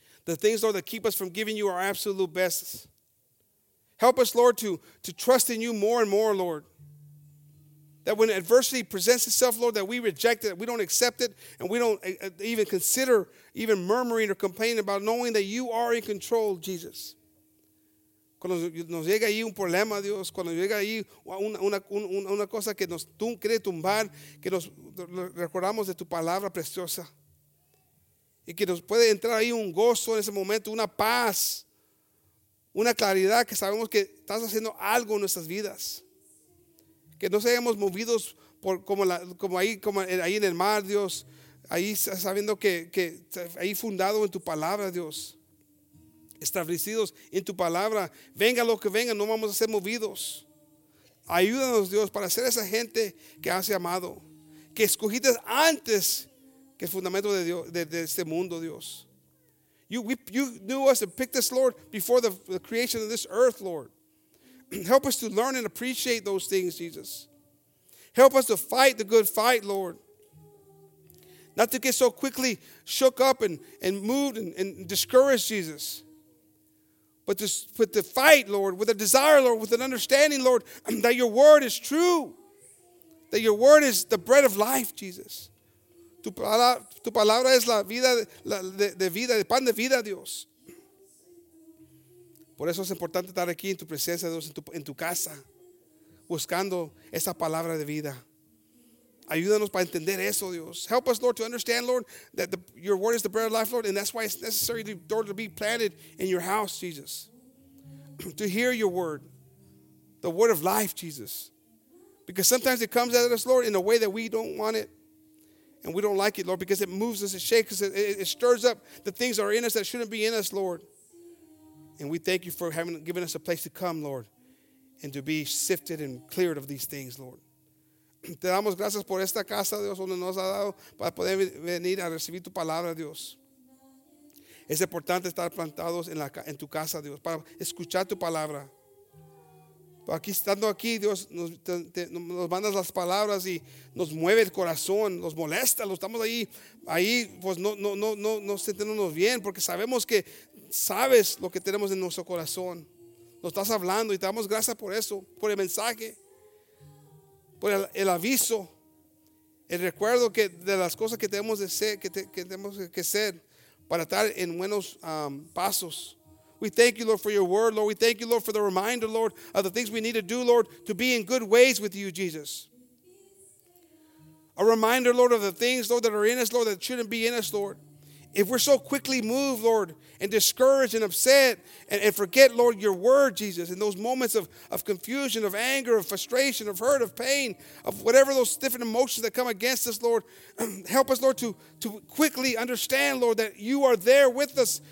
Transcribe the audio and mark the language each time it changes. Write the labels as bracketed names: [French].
[English] the things, Lord, that keep us from giving you our absolute best. Help us, Lord, to trust in you more and more, Lord. That when adversity presents itself, Lord, that we reject it, we don't accept it, and we don't even consider even murmuring or complaining about knowing that you are in control, Jesus. [Spanish] Cuando nos llega ahí un problema, Dios, cuando llega ahí una cosa que nos quiere tumbar, que nos recordamos de tu palabra preciosa. Y que nos puede entrar ahí un gozo en ese momento, una paz, una claridad que sabemos que estás haciendo algo en nuestras vidas. Que no seamos movidos por como ahí en el mar, Dios, ahí sabiendo que ahí fundado en tu palabra, Dios. Establecidos en tu palabra, venga lo que venga, no vamos a ser movidos. Ayúdanos, Dios, para ser esa gente que has llamado, que escogiste antes que el fundamento de Dios, de este mundo, Dios. [English] You knew us and picked us, Lord, before the creation of this earth, Lord. Help us to learn and appreciate those things, Jesus. Help us to fight the good fight, Lord. Not to get so quickly shook up and moved and discouraged, Jesus. But to fight, Lord, with a desire, Lord, with an understanding, Lord, that your word is true. That your word is the bread of life, Jesus. [Spanish] Tu palabra es la vida, de vida, el pan de vida, Dios. Por eso es importante estar aquí en tu presencia, Dios, en tu casa, buscando esa palabra de vida. Ayúdanos para entender eso, Dios. [English] Help us, Lord, to understand, Lord, that your word is the bread of life, Lord, and that's why it's necessary, Lord, to be planted in your house, Jesus. To hear your word, the word of life, Jesus. Because sometimes it comes at us, Lord, in a way that we don't want it, and we don't like it, Lord, because it moves us, it shakes us, it stirs up the things that are in us that shouldn't be in us, Lord. And we thank you for having given us a place to come, Lord, and to be sifted and cleared of these things, Lord. [Spanish] Te damos gracias por esta casa, Dios, donde nos ha dado para poder venir a recibir tu palabra, Dios. Es importante estar plantados en tu casa, Dios, para escuchar tu palabra. Pero aquí, estando aquí, Dios, nos mandas las palabras y nos mueve el corazón, nos molesta, lo estamos ahí, pues no sentándonos bien, porque sabemos que sabes lo que tenemos en nuestro corazón. Nos estás hablando y te damos gracias por eso, por el mensaje. Por el aviso, el recuerdo que de las cosas que tenemos de ser, que tenemos que ser para estar en buenos pasos. [English] We thank you, Lord, for your word, Lord. We thank you, Lord, for the reminder, Lord, of the things we need to do, Lord, to be in good ways with you, Jesus. A reminder, Lord, of the things, Lord, that are in us, Lord, that shouldn't be in us, Lord. If we're so quickly moved, Lord, and discouraged and upset and forget, Lord, your word, Jesus, in those moments of confusion, of anger, of frustration, of hurt, of pain, of whatever those different emotions that come against us, Lord, help us, Lord, to quickly understand, Lord, that you are there with us.